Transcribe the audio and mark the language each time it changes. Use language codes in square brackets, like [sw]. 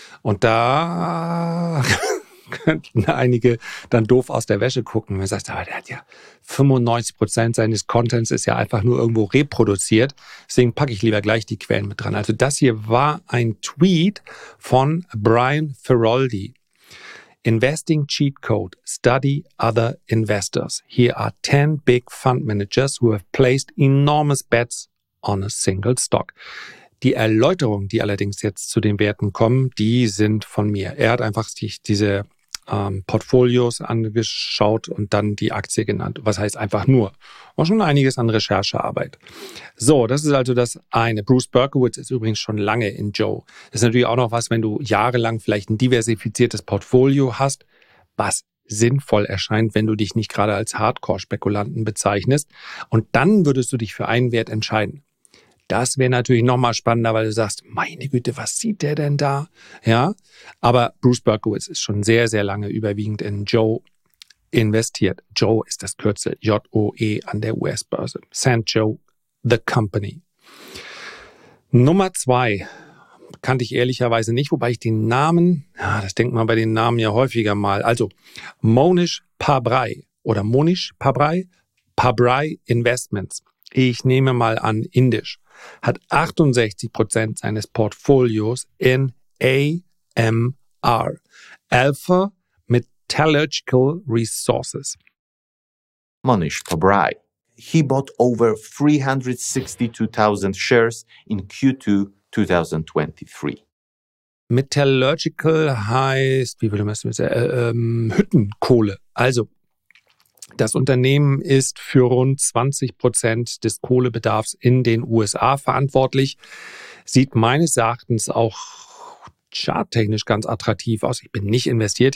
[de] Und da könnten einige dann doof aus der Wäsche gucken. Man sagt, aber der hat ja 95% seines Contents ist ja einfach nur irgendwo reproduziert. Deswegen packe ich lieber gleich die Quellen mit dran. Also das hier war ein Tweet von Brian Feroldi. [en] Investing cheat code. Study other investors. Here are 10 big fund managers who have placed enormous bets on a single stock. [de] Die Erläuterungen, die allerdings jetzt zu den Werten kommen, die sind von mir. Er hat einfach sich diese Portfolios angeschaut und dann die Aktie genannt. Was heißt einfach nur? War schon einiges an Recherchearbeit. So, das ist also das eine. Bruce Berkowitz ist übrigens schon lange in Joe. Das ist natürlich auch noch was, wenn du jahrelang vielleicht ein diversifiziertes Portfolio hast, was sinnvoll erscheint, wenn du dich nicht gerade als Hardcore-Spekulanten bezeichnest. Und dann würdest du dich für einen Wert entscheiden. Das wäre natürlich nochmal spannender, weil du sagst, meine Güte, was sieht der denn da? Ja, aber Bruce Berkowitz ist schon sehr, sehr lange überwiegend in Joe investiert. Joe ist das Kürzel, J-O-E an der US-Börse. St. [en] Joe, the company. [de] Nummer 2 kannte ich ehrlicherweise nicht, wobei ich den Namen, ja, das denkt man bei den Namen ja häufiger mal. Also Monish Pabrai Investments. Ich nehme mal an, indisch. Hat 68% seines Portfolios in AMR, Alpha Metallurgical Resources. Monish Pabrai. [en] He bought over 362,000 shares in Q2 2023. [de] Metallurgical heißt, wie würde man es sagen, Hüttenkohle. Also, Das Unternehmen ist für rund 20% des Kohlebedarfs in den USA verantwortlich. Sieht meines Erachtens auch charttechnisch ganz attraktiv aus. Ich bin nicht investiert.